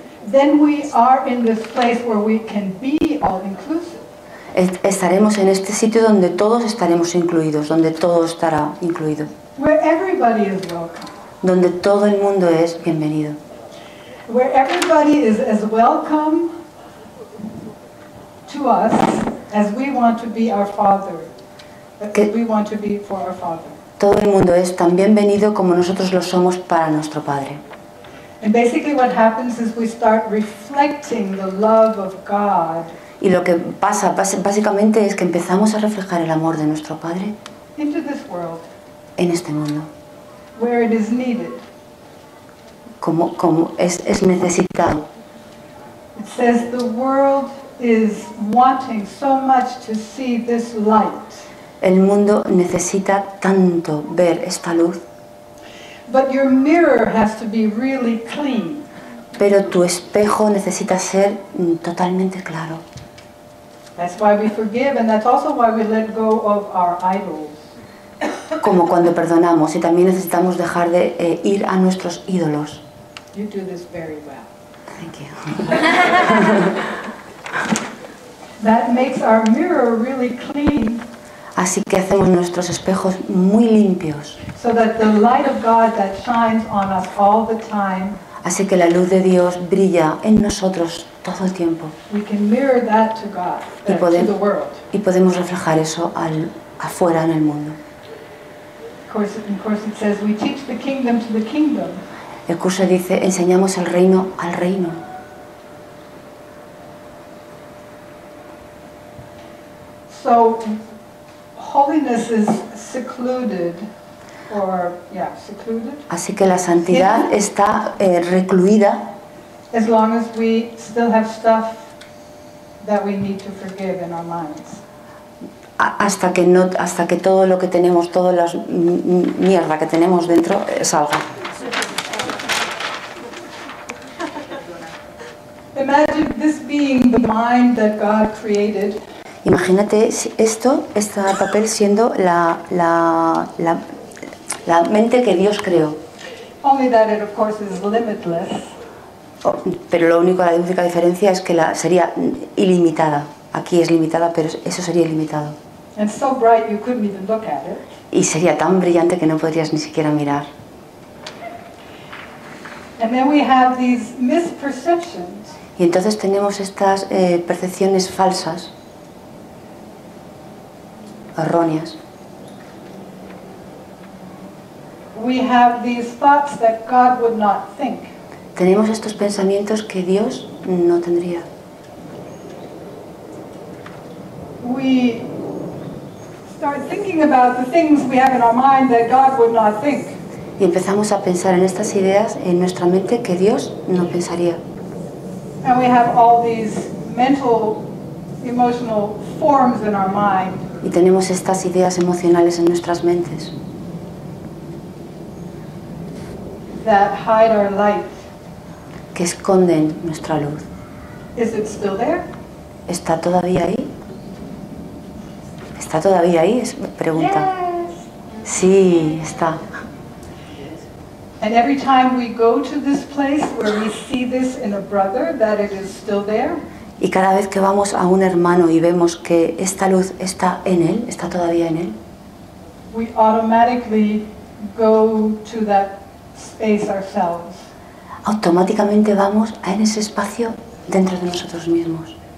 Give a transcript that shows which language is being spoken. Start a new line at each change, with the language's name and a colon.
English: then we are in this place where we can be all inclusive.
Spanish: Estaremos en este sitio donde todos estaremos incluidos, donde todo estará incluido.
English: Where everybody is welcome.
Spanish: Donde todo el mundo es bienvenido.
English: Where everybody is as welcome to us as we want to be our father. We want to be for our father.
Spanish: Todo el mundo es tan bienvenido como nosotros lo somos para nuestro padre.
English: And basically what happens is we start reflecting the love of God.
Spanish: Y lo que pasa básicamente es que empezamos a reflejar el amor de nuestro padre
English: into this world,
Spanish: en este mundo.
English: Where it is needed.
Spanish: Como es necesitado.
English: It says the world is wanting so much to see this light.
Spanish: El mundo necesita tanto ver esta luz.
English: But your mirror has to be really clean.
Spanish: Pero tu espejo necesita ser totalmente claro.
English: That's why we forgive, and that's also why we let go of our idols.
Spanish: Como cuando perdonamos y también necesitamos dejar de ir a nuestros ídolos.
English: You do this very well. Thank you. That makes our mirror really clean.
Spanish: Así que hacemos nuestros espejos muy limpios.
English: So that the light of God that shines on us all the time.
Spanish: Así que la luz de Dios brilla en nosotros todo el tiempo.
English: We can mirror that to God, to the world.
Spanish: Y podemos reflejar eso afuera en el mundo.
English: Of course it says we teach the kingdom to the kingdom.
Spanish: El curso dice, enseñamos el reino al reino.
English: So, holiness is secluded, or, yeah, secluded.
Spanish: Así que la santidad está recluida.
English: As long as we still have stuff that we need to forgive in our minds.
Spanish: Hasta que todo lo que tenemos, toda la mierda que tenemos dentro, salga.
English: Imagine this being the mind that God created.
Spanish: Imagínate este papel siendo la mente que Dios creó.
English: Only that it, of course, is limitless.
Spanish: Pero lo único, la única diferencia es que sería ilimitada. Aquí es limitada, pero eso sería ilimitado.
English: And so bright you couldn't even look at it.
Spanish: Y sería tan brillante que no podrías ni siquiera mirar.
English: And then we have these misperceptions.
Spanish: Y entonces tenemos estas percepciones falsas, erróneas.
English: We have these thoughts that God would not think.
Spanish: Tenemos estos pensamientos que Dios no tendría.
English: We start thinking about the things we have in our mind that God would not think.
Spanish: Y empezamos a pensar en estas ideas en nuestra mente que Dios no pensaría.
English: And we have all these mental, emotional forms in our mind.
Spanish: Y tenemos estas ideas emocionales en nuestras mentes.
English: That hide our light.
Spanish: Que esconden nuestra luz.
English: Is it still there?
Spanish: ¿Está todavía ahí? ¿Está todavía ahí? Es pregunta.
English: Yes.
Spanish: Sí, está.
English: And every time we go to this place where we see this in a brother that it is still there.
Spanish: Y cada vez que vamos a un hermano y vemos que esta luz está en él, está todavía en él.
English: We automatically go to that space ourselves.
Spanish: Automáticamente vamos a ese espacio dentro de nosotros mismos.